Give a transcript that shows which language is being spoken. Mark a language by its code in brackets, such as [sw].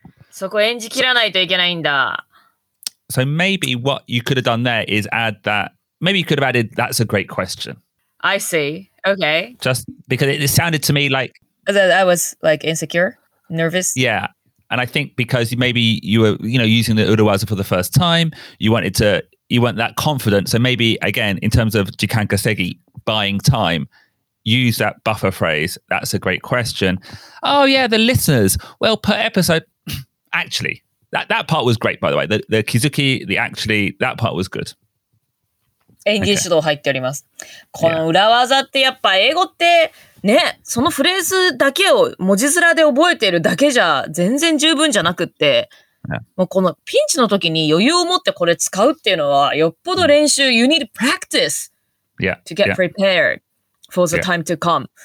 [ja] そこ演じ切らないといけないんだ。 [en] So maybe what you could have done there is add that. Maybe you could have added, that's a great question. I see. Okay. Just because it sounded to me like. That I was like insecure, nervous. Yeah. And I think because maybe you were, you know, using the Urawaza for the first time, you weren't that confident. So maybe, again, in terms of Jikan Kasegi buying time, use that buffer phrase. That's a great question. Oh, yeah, the listeners. Well, per episode, actually, that part was great, by the way. The Kizuki, the actually, that part was good. [ja] 演技指導入っております。この裏技ってやっぱ英語ってね、そのフレーズだけを文字面で覚えてるだけじゃ全然十分じゃなくって、もうこのピンチの時に余裕を持ってこれ使うっていうのはよっぽど練習、 [en] you need practice to get prepared for the time to come.